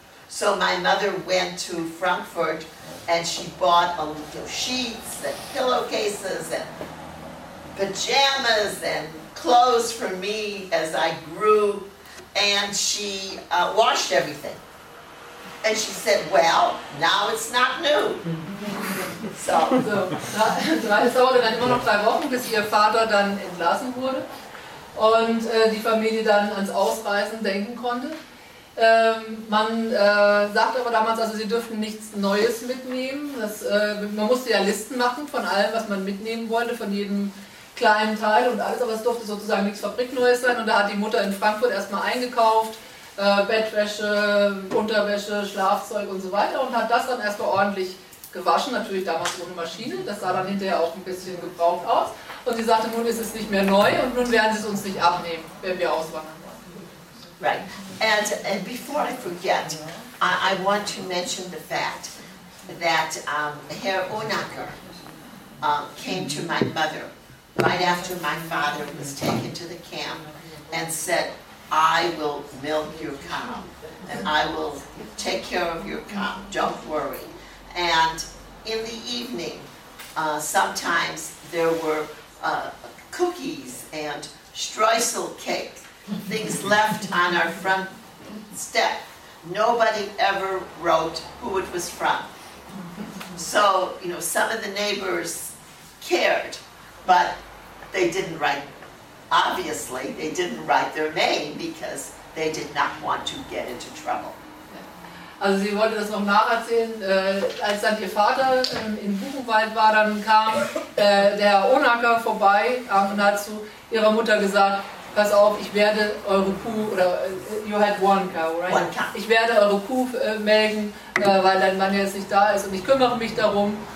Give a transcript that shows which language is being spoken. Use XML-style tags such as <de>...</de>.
<en>So my mother went to Frankfurt, and she bought sheets and pillowcases and pajamas and clothes for me as I grew, and she washed everything. And she said, well, now it's not new.</en> <de>So es dauerte immer noch 3 Wochen, bis ihr Vater dann entlassen wurde und die Familie dann ans Ausreisen denken konnte. Man sagt aber damals, also sie dürften nichts Neues mitnehmen. Man musste ja Listen machen von allem, was man mitnehmen wollte, von jedem kleinen Teil und alles, aber es durfte sozusagen nichts Fabrikneues sein. Und da hat die Mutter in Frankfurt erstmal eingekauft, Bettwäsche, Unterwäsche, Schlafzeug und so weiter und hat das dann erstmal ordentlich gewaschen, natürlich damals ohne Maschine. Das sah dann hinterher auch ein bisschen gebraucht aus. Und sie sagte, nun ist es nicht mehr neu und nun werden sie es uns nicht abnehmen, wenn wir auswandern.</de> <en>Right. And before I forget, I want to mention the fact that Herr Onacker came to my mother right after my father was taken to the camp and said, I will milk your cow and I will take care of your cow. Don't worry. And in the evening, sometimes there were cookies and streusel cakes. Things left on our front step. Nobody ever wrote who it was from. So, some of the neighbors cared But they didn't write, obviously, they didn't write their name because they did not want to get into trouble.</en> <de>Also sie wollte das noch nacherzählen, als dann ihr Vater in Buchenwald war, dann kam der Onaker vorbei und hat zu ihrer Mutter gesagt, pass auf, ich werde eure Kuh, oder</de> <en>you had one cow, right? One cow.</en> <de>Ich werde eure Kuh melken, weil dein Mann jetzt nicht da ist und ich kümmere mich darum.</de>